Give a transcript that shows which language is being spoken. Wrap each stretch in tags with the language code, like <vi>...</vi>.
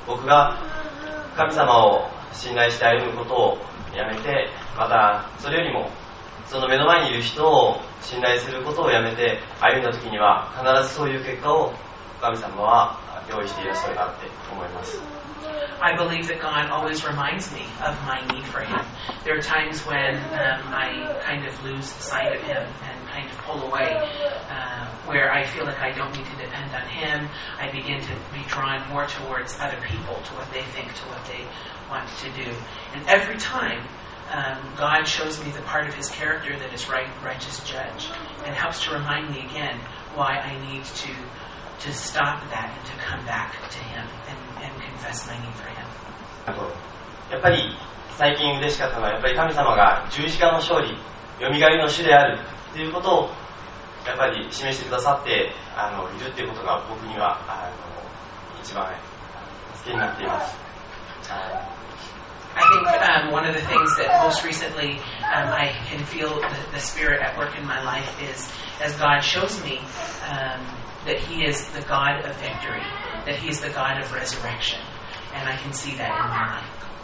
<ja>僕が神様を信頼して歩むことをやめて、またそれよりもその目の前にいる人を信頼することをやめて歩んだ時には、必ずそういう結果を神様は用意していらっしゃるなって思います。</ja> <en>I believe that God always reminds me of my need for Him. There are times when I kind of lose sight of Him and kind of pull away, where I feel like I don't need to depend on Him. I begin to be drawn more towards other people, to what they think, to what they want to do. And every time, God shows me the part of His character that is right, righteous judge, and helps to remind me again why I need to stop that and to come back to Him and confess my need for Him.</en> <ja>やっぱり最近嬉しかったのは、やっぱり神様が十字架の勝利、よみがえりの主であるということをやっぱり示してくださっているということが、僕には一番好きになっています。</ja> <en>I think one of the things that most recently I can feel the Spirit at work in my life is as God shows me that He is the God of victory, that He is the God of resurrection, and I can see that in my life.</en>